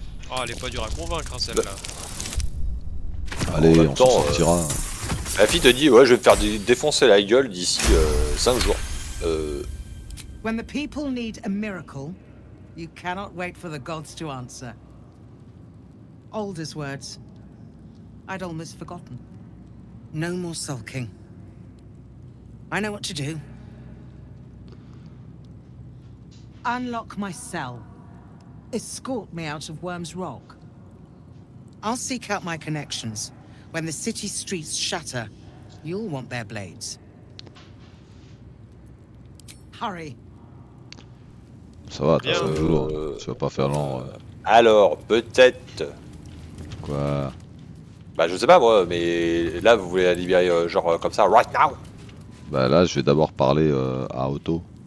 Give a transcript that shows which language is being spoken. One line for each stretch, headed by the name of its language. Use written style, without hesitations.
French: Oh, elle est pas dure à convaincre hein, celle-là. Bah... Allez, en même temps, on s'en sortira. La fille te dit: ouais, je vais me faire défoncer la gueule d'ici 5 jours.
English: When the people need a miracle, you cannot wait for the gods to answer. Alder's words. I'd almost forgotten. No more sulking. I know what to do. Unlock my cell. Escort me out of Worm's Rock. I'll seek out my connections. When the city streets shatter, you'll want their blades. Hurry.
French: Ça va, attends, ça va jour, ça va pas faire long. Alors, peut-être. Quoi? Bah, je sais pas moi, mais là, vous voulez la libérer genre comme ça,
English: right now?
French: Bah, là, je vais d'abord parler à Otto.